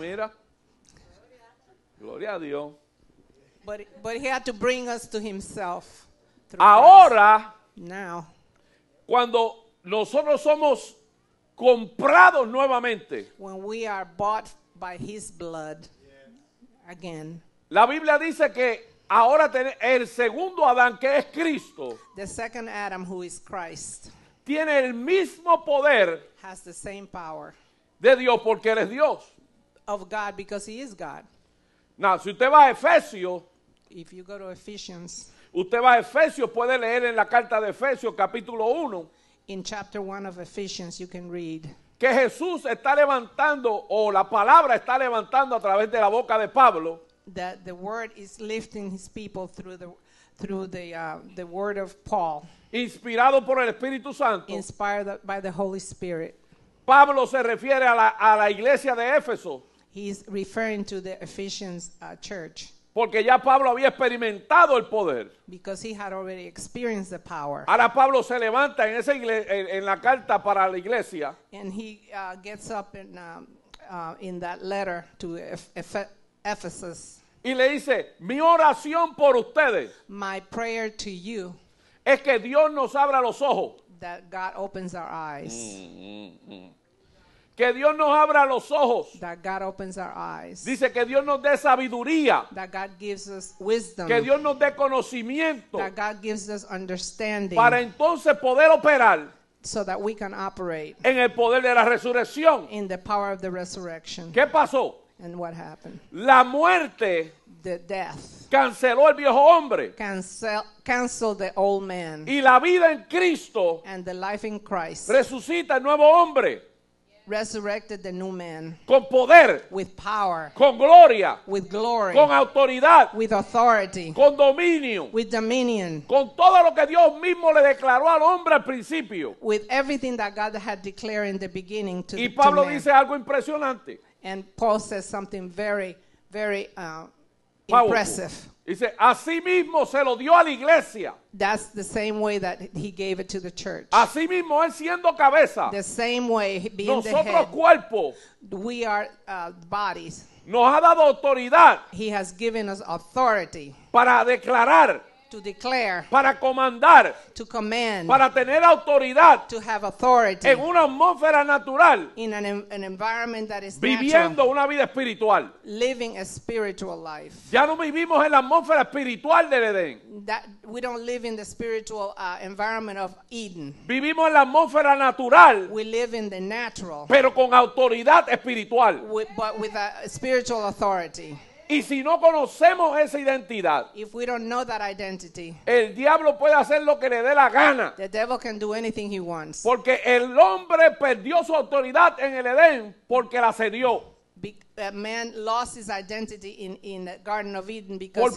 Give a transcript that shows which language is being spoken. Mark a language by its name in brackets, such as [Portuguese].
[Spanish] Mira. Gloria a Dios. [English] But he had to bring us to himself. [Spanish] Ahora, [English] us. Now, [Spanish] cuando nosotros somos comprados nuevamente, [English] when we are bought by his blood, yeah, again, [Spanish] la Biblia dice que ahora el segundo Adán, que es Cristo, [English] the second Adam, who is Christ, [Spanish] tiene el mismo poder, [English] has the same power, [Spanish] de Dios porque él es Dios, [English] of God because he is God. [Spanish] Now, si usted va a Efesios, [English] if you go to Ephesians, [Spanish] usted va a Efesios, puede leer en la carta de Efesios, capítulo 1, [English] in chapter 1 of Ephesians, you can read, [Spanish] que Jesús está levantando, o la palabra está levantando a través de la boca de Pablo, [English] that the word is lifting his people through the word of Paul, [Spanish] inspirado por el Espíritu Santo, [English] inspired by the Holy Spirit. [Spanish] Pablo se refiere a la iglesia de Éfeso. [English] He's referring to the Ephesians church. [Spanish] Porque ya Pablo había experimentado el poder. [English] Because he had already experienced the power. [Spanish] Ahora Pablo se levanta en esa iglesia, en la carta para la iglesia. [English] And he gets up in that letter to Ephesus. [Spanish] Y le dice, mi oración por ustedes. [English] My prayer to you. [Spanish] Es que Dios nos abra los ojos. [English] That God opens our eyes. [Spanish] Que Dios nos abra los ojos. [English] That God opens our eyes. [Spanish] Dice que Dios nos dé sabiduría. [English] That God gives us wisdom. [Spanish] Que Dios nos dé conocimiento. [English] That God gives us understanding. [Spanish] Para entonces poder operar. [English] So that we can operate. [Spanish] En el poder de la resurrección. [English] In the power of the resurrection. [Spanish] ¿Qué pasó? [English] And what happened? [Spanish] La muerte. [English] The death. [Spanish] Canceló el viejo hombre. [English] Cancel the old man. [Spanish] Y la vida en Cristo. [English] And the life in Christ. [Spanish] Resucita el nuevo hombre. [English] Resurrected the new man. [Spanish] Con poder. [English] With power. [Spanish] Con gloria. [English] With glory. [Spanish] Con autoridad. [English] With authority. [Spanish] Con dominio. [English] With dominion. [Spanish] Con todo lo que Dios mismo le declaró al hombre al principio. [English] With everything that God had declared in the beginning to man. [Spanish] Y Pablo dice algo impresionante. [English] And Paul says something very, very impressive. He said, [Spanish] así mismo se lo dio a la iglesia. [English] That's the same way that he gave it to the church. [Spanish] Así mismo él siendo cabeza. [English] The same way being [Spanish] nosotros [English] the head. [Spanish] Cuerpo. [English] We are bodies. [Spanish] Nos ha dado autoridad. [English] He has given us authority. [Spanish] Para declarar. [English] To declare. [Spanish] Para comandar. [English] To command. [Spanish] Para tener autoridad. [English] To have authority. [Spanish] En una atmósfera natural. [English] In an environment that is [Spanish] viviendo [English] natural. [Spanish] Una vida espiritual. [English] Living a spiritual life. [Spanish] Ya no vivimos en la atmósfera espiritual del Edén. [English] That we don't live in the spiritual environment of Eden. [Spanish] Vivimos en la atmósfera natural. [English] We live in the natural. [Spanish] Pero con autoridad espiritual. [English] But with a spiritual authority. [Spanish] Y si no conocemos esa identidad, [English] if we don't know that identity, [Spanish] el diablo puede hacer lo que le dé la gana. [English] The devil can do anything he wants. [Spanish] Porque el hombre perdió su autoridad en el Edén porque la cedió. [English] A man lost his identity in the Garden of Eden because